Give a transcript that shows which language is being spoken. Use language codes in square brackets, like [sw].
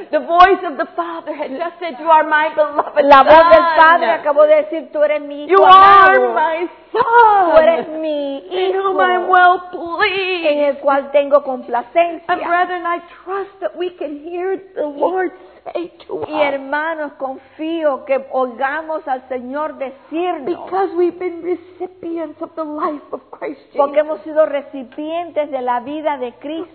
[en] The voice of the Father had just said, you are my beloved [es] la [en] son. [es] Voz del Padre acabó de decir, tú eres mi hijo [en] you [es] amado. [en] Are my son. [es] Tú eres mi hijo. [en] In whom I'm well pleased. [es] En el cual tengo complacencia. [en] And brethren, I trust that we can hear the Lord say to us. [es] Y hermanos, confío que oigamos al Señor decirnos. [en] Because we've been recipients of the life of Christ Jesus. [es] Porque hemos sido recipientes de la vida de Cristo.